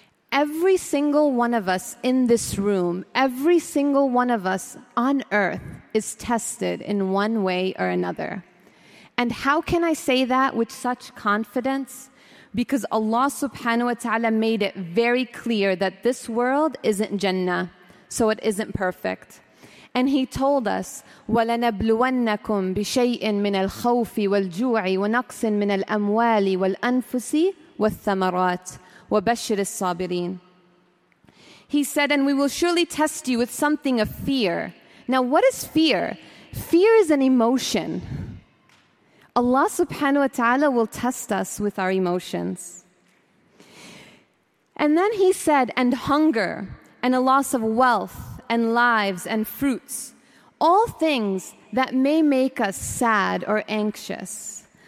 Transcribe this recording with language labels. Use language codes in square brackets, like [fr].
[en] Every single one of us in this room, every single one of us on earth is tested in one way or another. And how can I say that with such confidence? Because Allah subhanahu wa ta'ala made it very clear that this world isn't Jannah, so it isn't perfect. And he told us, [ar] وَلَنَبْلُوَنَّكُمْ بِشَيْءٍ مِنَ الْخَوْفِ وَالْجُوعِ وَنَقْصٍ مِنَ الْأَمْوَالِ وَالْأَنفُسِ وَالثَّمَرَاتِ وَبَشِّرِ الصَّابِرِينَ. [en] He said, and we will surely test you with something of fear. Now, what is fear? Fear is an emotion. Allah subhanahu wa ta'ala will test us with our emotions. And then he said, and hunger and a loss of wealth and lives and fruits, all things that may make us sad or anxious.